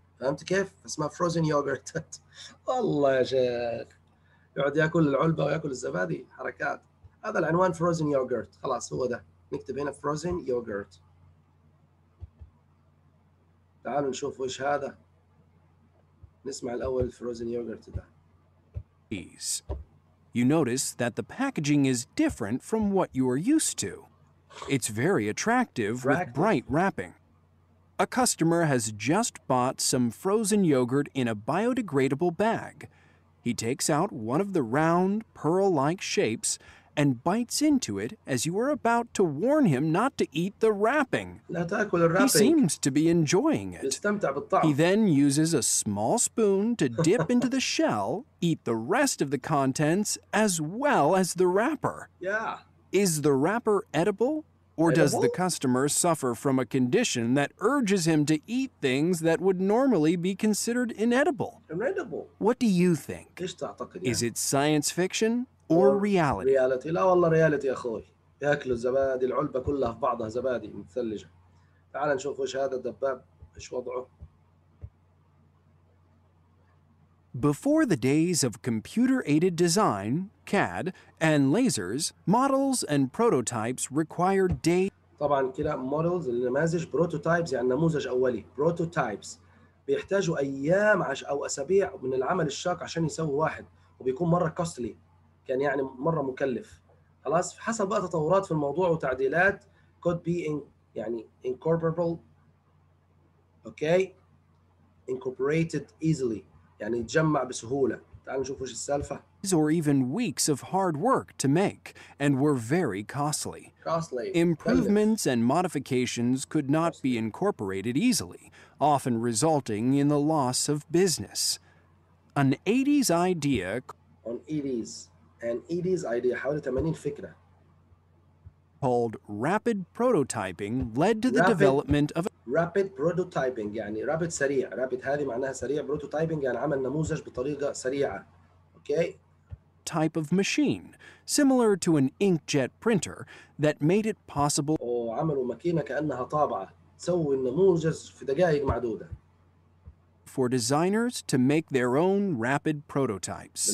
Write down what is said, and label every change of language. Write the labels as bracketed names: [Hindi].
[Arabic] فهمت كيف؟ اسمها frozen yogurt. والله يا شيخ يقعد يأكل العلبة ويأكل الزبادي، حركات. هذا العنوان frozen yogurt، خلاص هو ده. نكتب هنا frozen yogurt. تعالوا نشوف وش هذا. نسمع الأول frozen yogurt ده. [English] Please. You notice that the packaging is different from what you are used to. It's very attractive with bright wrapping. A customer has just bought some frozen yogurt in a biodegradable bag. He takes out one of the round, pearl-like shapes and bites into it as you were about to warn him not to eat the wrapping. He seems to be enjoying it. He then uses a small spoon to dip into the shell, eat the rest of the contents, as well as the wrapper. Yeah. Is the wrapper edible? Or does the customer suffer from a condition that urges him to eat things that would normally be considered inedible? Inedible. What do you think? Is it science fiction or reality? Reality. [Arabic] لا والله reality يا أخوي. يأكل الزبادي، العلبة كلها في بعضها زبادي مثلجة. تعال نشوف وش هذا الدباب، إيش وضعه. [English] Before the days of computer-aided design, CAD, and lasers, models and prototypes required data. [Arabic] طبعا كده models النماذج، prototypes يعني نموذج أولي. prototypes بيحتاجوا أيام أو أسابيع من العمل الشاق عشان يسوي واحد، وبيكون مرة costly، كان يعني مرة مكلف. خلاص حصل بقى تطورات في الموضوع وتعديلات [English] could be in [Arabic] يعني incorporable. [English] okay incorporated easily [Arabic] يعني يتجمع بسهولة. تعال نشوف وش السالفة. [English] Or even weeks of hard work to make and were very costly. Costly. Improvements and modifications could not be incorporated easily, often resulting in the loss of business. An 80s idea. On 80s. An 80s idea. [Arabic] حوالي 80 فكرة. [English] Called rapid prototyping led to the development of. [Arabic] Rapid prototyping يعني rapid سريع. Rapid هذه معناها سريع. Prototyping يعني عمل نموذج بطريقة سريعة. [English] Okay. Type of machine similar to an inkjet printer that made it possible. [Arabic] وعملوا ماكينة كأنها طابعة تسوي النموذج في دقائق معدودة. [English] For designers to make their own rapid prototypes.